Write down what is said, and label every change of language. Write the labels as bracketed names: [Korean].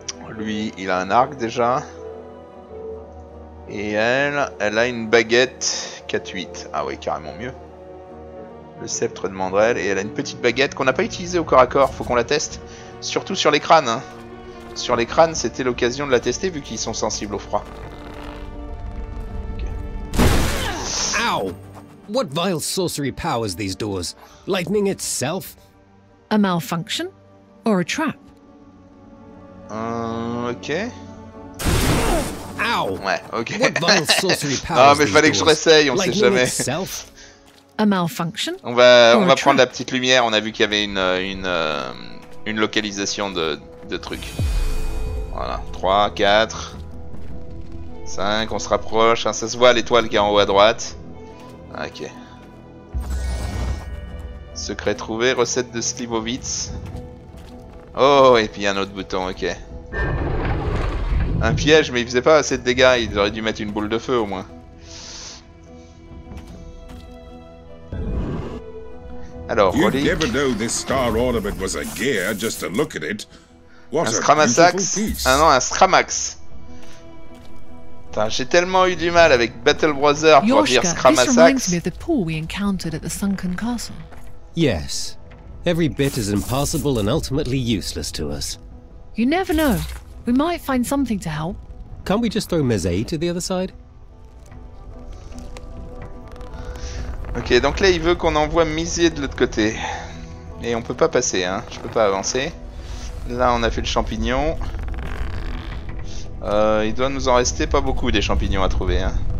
[French] Lui, il a un arc déjà. Et elle, elle a une baguette 4-8. Ah oui, carrément mieux. Le sceptre de Mandrel. Et elle a une petite baguette qu'on n'a pas utilisée au corps à corps. Faut qu'on la teste. Surtout sur les crânes. Hein. Sur les crânes, c'était l'occasion de la tester vu qu'ils sont sensibles au froid. Okay. Ow! [English] What vile sorcery powers these doors? Lightning itself? A malfunction? Or a trap? [French] Ok. Ouais, ok. Non, mais il fallait que je réessaye, on sait jamais. [English] A malfunction? [French] On va prendre la petite lumière, on a vu qu'il y avait une localisation de trucs. Voilà, 3, 4, 5, on se rapproche. Ça se voit l'étoile qui est en haut à droite. Ok. Secret trouvé, recette de Slivovitz. Oh, et puis un autre bouton, ok. Un piège, mais il faisait pas assez de dégâts, ils auraient dû mettre une boule de feu au moins. Alors, Rolik. [English] You'd never know this star ornament was a gear, just to look at it. [French] What un Scramasax. Ah non, un Scramax. Putain, j'ai tellement eu du mal avec Battle Brother pour dire Scramasax. [English] This reminds me of the pool we encountered at the Sunken Castle. Yes. Every bit is impossible and ultimately useless to us. You never know. We might find something to help. Can't we just throw Mezé to the other side? [French] Ok, donc là il veut qu'on envoie Mizier de l'autre côté. Et on peut pas passer, hein. Je peux pas avancer. Là on a fait le champignon. Il doit nous en rester pas beaucoup des champignons à trouver, hein.